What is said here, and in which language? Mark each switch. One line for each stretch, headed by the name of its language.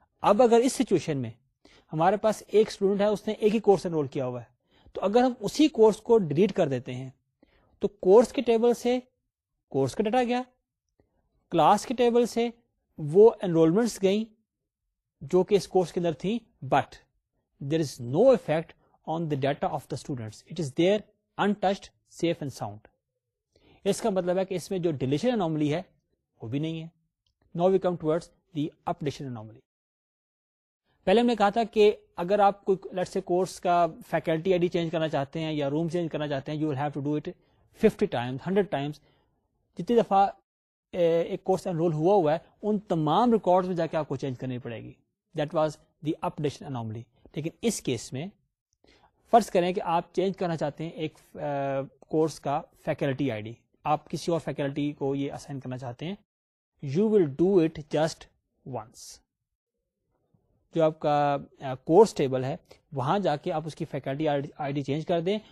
Urdu: اب اگر اس سچویشن میں ہمارے پاس ایک اسٹوڈنٹ ہے اس نے ایک ہی کورس انرول کیا ہوا ہے, تو اگر ہم اسی کورس کو ڈیلیٹ کر دیتے ہیں تو کورس کے ٹیبل سے کورس کا ڈیٹا گیا, کلاس کے ٹیبل سے وہ انرولمنٹس گئیں جو کہ اس کورس کے اندر تھیں,
English: But there is no effect on the data of the students, it is there untouched safe and sound.
Urdu: اس کا مطلب ہے کہ اس میں جو ڈیلیشن انومالی ہے وہ بھی نہیں ہے.
English: Now we come towards the updation anomaly.
Urdu: پہلے ہم نے کہا تھا کہ اگر آپ کوئی لیٹس سے کورس کا فیکلٹی آئی ڈی چینج کرنا چاہتے ہیں یا روم چینج کرنا چاہتے ہیں,
English: You will have to do it 50 times 100 times.
Urdu: جتنی دفعہ ایک کورس انرول ہوا ہوا ہے ان تمام ریکارڈز میں جا کے آپ کو چینج کرنی پڑے گی.
English: That was the updation anomaly.
Urdu: لیکن اس کیس میں فرض کریں کہ آپ چینج کرنا چاہتے ہیں ایک کورس کا فیکلٹی آئی ڈی, آپ کسی اور فیکلٹی کو یہ اسائن کرنا چاہتے ہیں,
English: You will do it just once.
Urdu: جو آپ کا کورس ٹیبل ہے وہاں جا کے آپ اس کی فیکلٹی آئی ڈی چینج کر دیں.